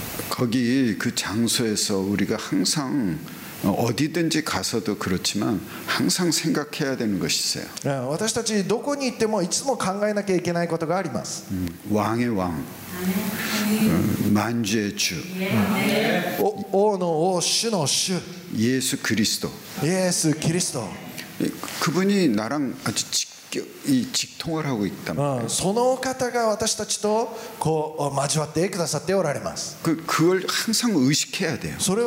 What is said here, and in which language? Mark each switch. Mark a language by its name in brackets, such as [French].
[Korean] 거기 그 장소에서 우리가 항상 어디든지 가서도 그렇지만 항상 생각해야 되는 것이 있어요. [Japanese] 私たちどこに行ってもいつも考えなきゃいけないことがあります。 [Korean] 왕의 왕. 만주의 주. [Japanese] 王の王、主の主。 [Korean] 예수 그리스도. 예수 그리스도. 그분이 나랑 아주 직통을 하고 있단 말이에요. [Japanese] その方が私たちとこう交わってくださっておられます。 [Korean] 그걸 항상 의식해야 돼요.